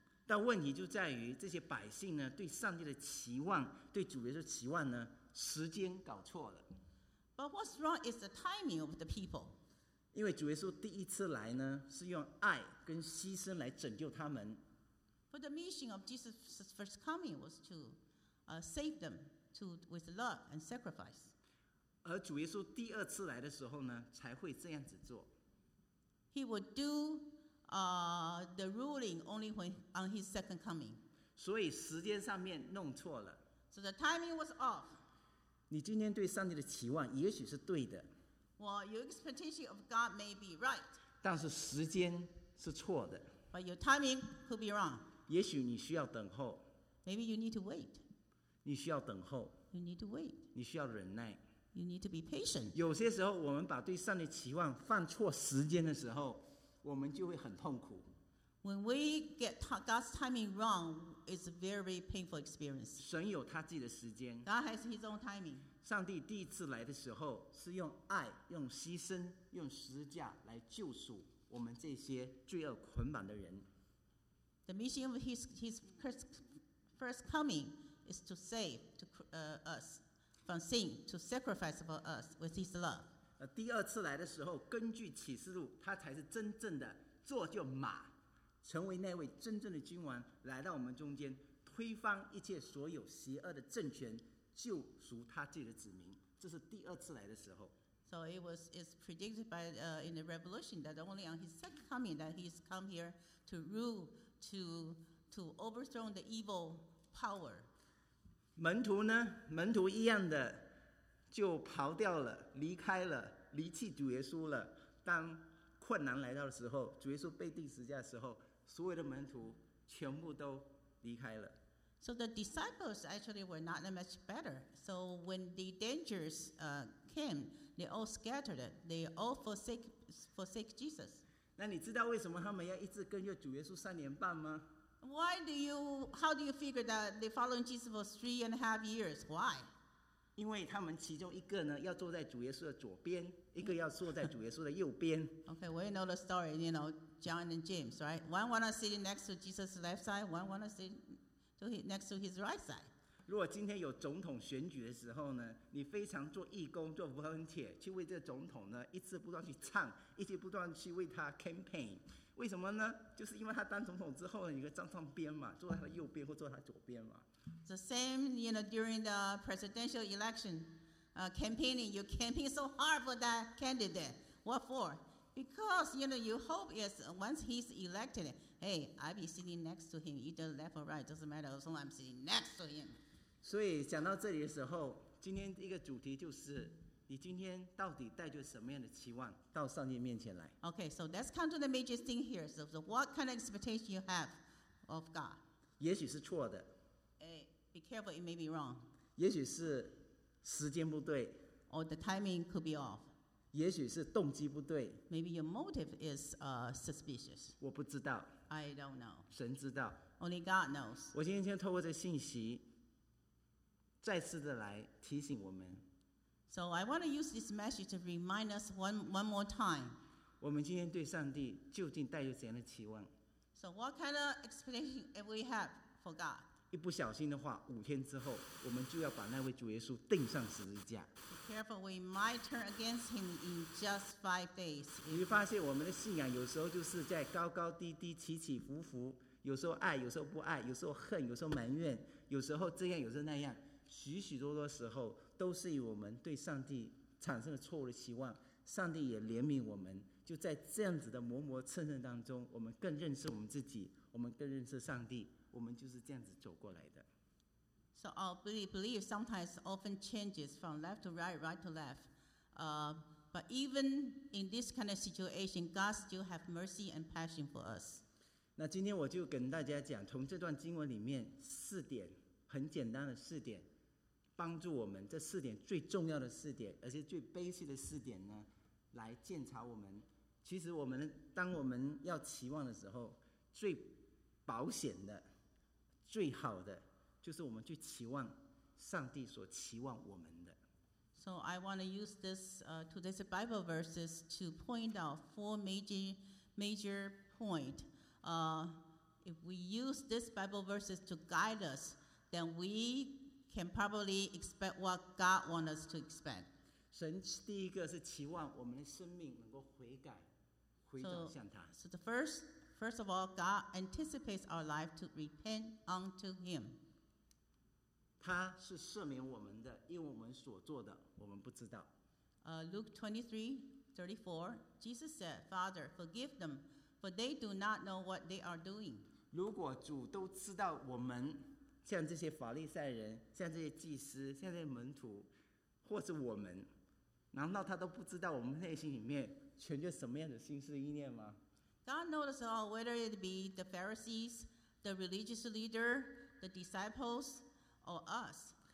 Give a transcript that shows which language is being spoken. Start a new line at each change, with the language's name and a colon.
Chinese: 但问题就在于这些百姓呢，对上帝的期望，对主耶稣期望呢，时间搞错了。
English: But what's wrong is the timing of the people.
Chinese: 因为主耶稣第一次来呢，是用爱跟牺牲来拯救他们。
English: But the mission of Jesus' first coming was to, save them to with love and sacrifice.
Chinese: 而主耶稣第二次来的时候呢，才会这样子做。
English: He would do, the ruling only when on his second coming.
Chinese: 所以时间上面弄错了。
English: So the timing was off.
Chinese: 你今天对上帝的期望也许是对的，
English: Well, your expectation of God may be right.
Chinese: 但是时间是错的，
English: But your timing could be wrong.
Chinese: 也许你需要等候，
English: Maybe you need to wait.
Chinese: 你需要等候，
English: You need to wait.
Chinese: 你需要忍耐，
English: You need to be patient.
Chinese: 有些时候我们把对上帝期望放错时间的时候，我们就会很痛苦。
English: When we get God's timing wrongIt's a very painful experience.
Chinese: 神有他自己的时间。
English: God has His own timing.
Chinese: 上帝第一次来的时候，是用爱、用牺牲、用十字架来救赎我们这些罪恶捆绑的人。
English: The mission of His first coming is to save to, us from sin, to sacrifice for us with His love.
Chinese: 第二次来的时候，根据启示录，他才是真正的坐就马。成为那位真正的君王，来到我们中间，推翻一切所有邪恶的政权，救赎他自己的子民。这是第二次来的时候。
English: So it was is predicted by in the revolution that only on his second coming that he's come here to rule to overthrow the evil power.
Chinese: 门徒呢？门徒一样的就跑掉了，离开了，离弃主耶稣了。当困难来到的时候，主耶稣被钉十字架的时候。所有的门徒全部都离开了。
English: So the disciples actually were not that much better. So when the dangers came, they all scattered. They all forsake Jesus.
Chinese: 那你知道为什么他们要一直跟着主耶稣三年半吗？
English: How do you figure that they following Jesus for 3.5 years? Why?
Chinese: 因为他们其中一个呢，要坐在主耶稣的左边，一个要坐在主耶稣的右边。
English: Okay, we know the story, you know. John and James, right? One wanna sit next to Jesus' left side, one wanna sit to next to his right side.
Chinese: 如果今天有总统选举的时候呢，你非常做义工、做 volunteer 去为这个总统呢，一直不断去唱，一直不断去为他 campaign。为什么呢？就是因为他当总统之后呢，你可以站上边嘛，坐在他的右边或坐在他左边嘛。
English: The same, you know, during the presidential election, campaigning, you campaign so hard for that candidate. What for? Because you know, you hope is once he's elected, hey, I'll be sitting next to him, either left or right, doesn't matter. So I'm sitting next to him.
Chinese: 所以讲到这里的时候，今天一个主题就是，你今天到底带着什么样的期望到上帝面前来
English: ？Okay, so let's come to the major thing here. So what kind of expectation you have of God?
Chinese: 也许是错的。
English: Be careful, it may be wrong.
Chinese: 也许是时间不对。
English: Or the timing could be off.
Chinese: 也许是动机不对。
English: Maybe your motive is suspicious.
Chinese: 我不知道。
English: I don't know.
Chinese: 神知道。
English: Only God knows.
Chinese: 我今天透过这信息，再次的来提醒我们。
English: So I want to use this message to remind us one more time.
Chinese: 我们今天对上帝究竟带有怎样的期望
English: ？So what kind of expectation have we have for God?
Chinese: 一不小心的话，五天之后，我们就要把那位主耶稣钉上十字架。
English: Careful, we might turn against him in just 5 days.
Chinese: 你会发现我们的信仰有时候就是在高高低低、起起伏伏，有时候爱，有时候不爱，有时候恨，有时候埋怨，有时候这样，有时候那样，许许多多时候都是以我们对上帝产生了错误的期望，上帝也怜悯我们，就在这样子的磨磨蹭蹭当中，我们更认识我们自己，我们更认识上帝，我们就是这样子走过来的。
English: So our belief sometimes often changes from left to right, right to left. But even in this kind of situation, God still has mercy and passion for us.
Chinese: 那今天我就跟大家讲，从这段经文里面四点，很简单的四点帮助我们，这四点最重要的四点，而且最卑微的四点呢，来鉴察我们。其实我们当我们要期望的时候，最保险的、最好的，就是我们去期望上帝所期望我们的。
English: So I want to use this today's Bible verses to point out four major point. If we use this Bible verses to guide us, then we can probably expect what God wants us to expect.
Chinese: 神第一个是期望我们的生命能够悔改，回转向他。
English: So the first of all, God anticipates our life to repent unto Him.
Chinese: 他是赦免我们的，因为我们所做的，我们不知道。
English: Luke 23:34, Jesus said, "Father, forgive them, for they do not know what they are doing."
Chinese: 如果主都知道我们。像这些法利赛人，像这些祭司，像这些门徒，或是我们，难道他都不知道我们内心里面存着什么样的心思意念吗？
English: God knows all, whether it be the Pharisees, the religious leader, the disciples, or us.